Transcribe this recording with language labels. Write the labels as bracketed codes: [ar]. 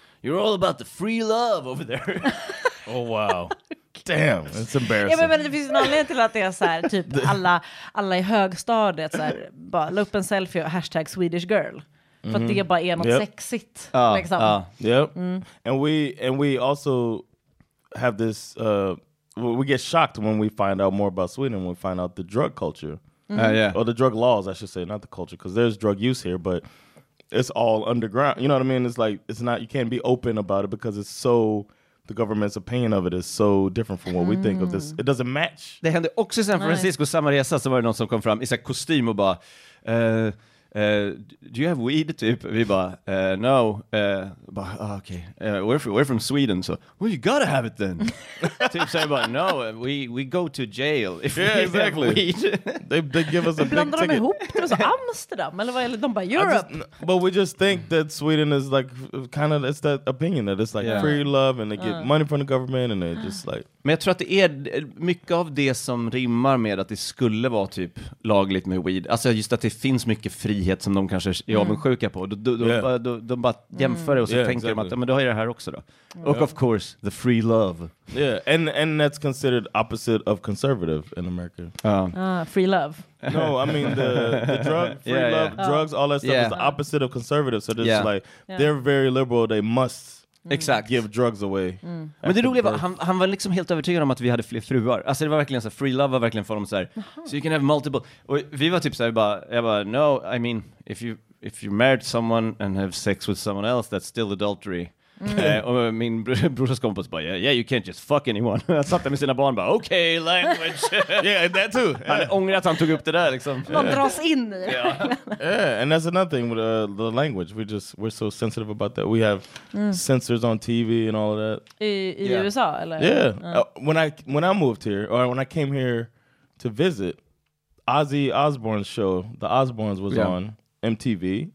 [en] You're all about the free love over there." Oh wow. Damn, it's embarrassing. [sv] Ja, men det finns en anledning till att det är så här, typ alla i högstadiet så här, bara la upp en selfie och hashtag Swedish girl. För att det bara är något sexigt. [en] And we also have this, we get shocked when we find out more about Sweden, when we find out the drug culture. Or the drug laws, I should say, not the culture, because there's drug use here, but it's all underground. You know what I mean? It's like, it's not, you can't be open about it because it's so, the government's opinion of it is so different from what we think of this. It doesn't match. [sv] Det hände också i San Francisco, samma resa, så var det någon som kom fram i sån kostym och bara, [en] do you have weed, [sv] typ? Vi bara, [en] no. Okay. We're from Sweden, so, well, you gotta have it then. [sv] Typ så bara, [en] no, we go to jail if exactly. have weed. they give us a big ticket. [sv] Blandar de ihop? Det var så Amsterdam, eller vad? Eller de bara, Europe? [en] But we just think that Sweden is like, kind of, it's that opinion that it's like free love, and they get money from the government, and they just like... [sv] Men jag tror att det är mycket av det som rimmar med att det skulle vara typ lagligt med weed. Alltså just att det finns mycket frihet som de kanske är avundsjuka på. De bara jämför det och så tänker de att, men du har ju det här också då. [en] Och of course, the free love. Yeah, and that's considered opposite of conservative in America. Free love. No, I mean the drug, free love, drugs, all that stuff is the opposite of conservative. So it's like, they're very liberal, they must... [sv] Exakt. [en] Give drugs away. [sv] Men det roliga var, han var liksom helt övertygad om att vi hade fler fruar. Alltså det var verkligen så här, free love var verkligen för dem så här. [en] So you can have multiple. [sv] Och vi var typ så här, jag bara, [en] no, I mean, if you married someone and have sex with someone else, that's still adultery. [sv] Och min brorsas kompis bara, [en] yeah, you can't just fuck anyone. [sv] Han satt där med sina barn, bara, [en] okay, language. Yeah, that too. [sv] Han ångrar att han tog upp det där liksom. Man dras in i det. [en] Yeah, and that's another thing with the language. We're so sensitive about that. We have censors on TV and all of that. [sv] I USA, eller? [en] Yeah. When I moved here, or when I came here to visit, Ozzy Osbourne's show, The Osbournes, was on MTV.